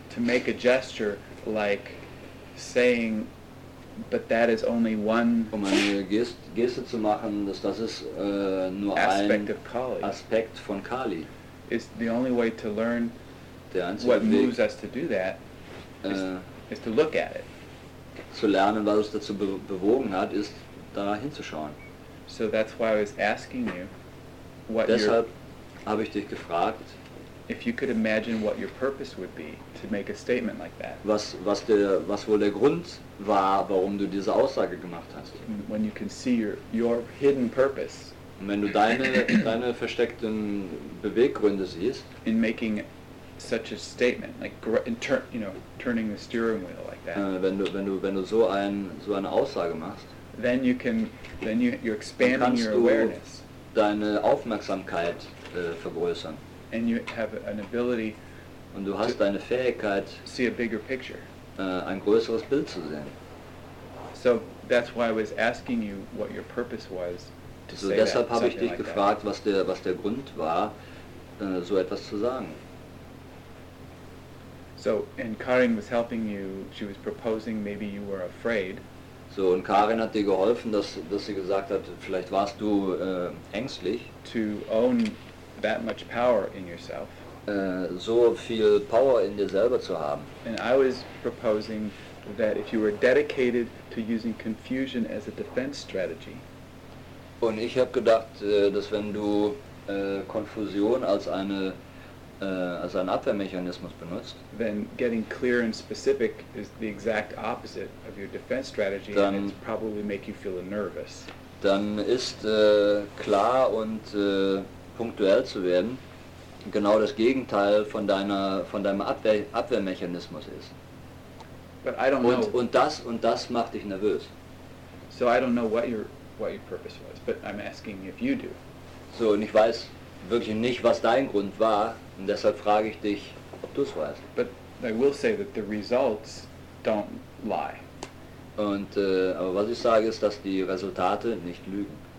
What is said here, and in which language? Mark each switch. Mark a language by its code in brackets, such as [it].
[en] To make a gesture like saying, but that is only one [de] Geste zu machen, das ist nur [en] aspect [de] ein [en] of Kali. [de] Aspekt von Kali. [en] It's the only way to learn what [de] Weg, [en] moves us to do that is to look at it. [de] Zu lernen, was uns dazu bewogen hat, ist da hinzuschauen. [en] So that's why I was asking you what [de] deshalb habe ich dich gefragt, [en] if you could imagine what your purpose would be to make a statement like that. [de] Was wohl der Grund war, warum du diese Aussage gemacht hast. [en] When you can see your hidden purpose. [de] Und wenn du deine versteckten Beweggründe siehst. [en] In making such a statement, like turning the steering wheel like that. [de] Wenn du so eine Aussage machst. [en] Then you're expanding your awareness. [de] Dann kannst du deine Aufmerksamkeit vergrößern. [en] And you have an ability [de] und du hast deine Fähigkeit, [en] see a bigger picture. [de] Ein größeres Bild zu sehen. [en] So that's why I was asking you what your purpose was to [de] so [en] say [de] deshalb [en] that, [de] habe ich dich [en] like [de] gefragt, [en] that. [de] was der Grund war, so etwas zu sagen. [en] So and Karin was helping you, she was proposing maybe you were afraid. [de] So und Karin hat dir geholfen, dass sie gesagt hat, vielleicht warst du ängstlich. [en] To own that much power in yourself. [de] So viel Power in dir selber zu haben. [en] And I was proposing that if you were dedicated to using confusion as a defense strategy. [de] Und ich habe gedacht, dass wenn du Konfusion als einen Abwehrmechanismus benutzt, [en] then getting clear and specific is the exact opposite of your defense strategy, and it's probably make you feel nervous. [de] Dann ist klar und punktuell zu werden, genau das Gegenteil von deinem Abwehrmechanismus ist. [en] But I don't know. [de] Und das macht dich nervös. [en] So I don't know what your purpose was, but I'm asking if you do. [de] So und ich weiß wirklich nicht, was dein Grund war, und deshalb frage ich dich, ob du es weißt. [en] But I will say that the results don't lie. [de] Und aber was ich sage ist, dass die Resultate nicht lügen.